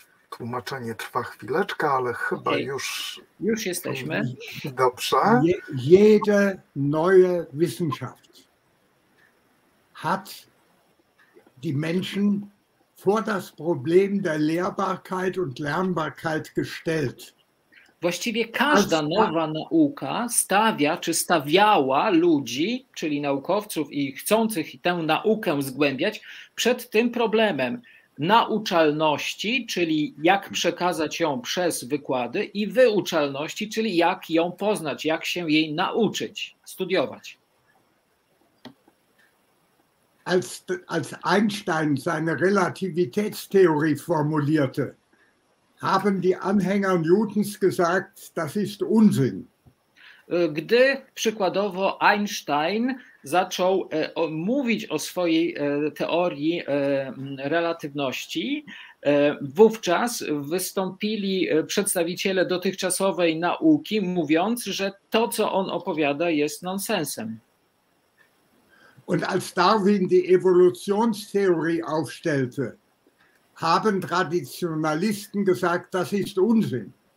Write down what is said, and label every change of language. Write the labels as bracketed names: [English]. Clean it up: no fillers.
[Polish] Tłumaczenie trwa chwileczkę, ale chyba okay. już jesteśmy. Dobrze. [German] Jede neue Wissenschaft hat die Menschen vor das Problem der Lehrbarkeit und Lernbarkeit gestellt. [Polish] Właściwie każda nowa nauka stawia, czy stawiała ludzi, czyli naukowców i chcących tę naukę zgłębiać, przed tym problemem nauczalności, czyli jak przekazać ją przez wykłady i wyuczalności, czyli jak ją poznać, jak się jej nauczyć, studiować. [German] Als Einstein seine Relativitätstheorie formulierte, haben die Anhänger Newtons gesagt, das ist Unsinn. [Polish] Gdy przykładowo Einstein zaczął mówić o swojej teorii relatywności, wówczas wystąpili przedstawiciele dotychczasowej nauki, mówiąc, że to, co on opowiada, jest nonsensem. [German] Und als Darwin die Evolutionstheorie aufstellte, haben Traditionalisten gesagt, das ist Unsinn.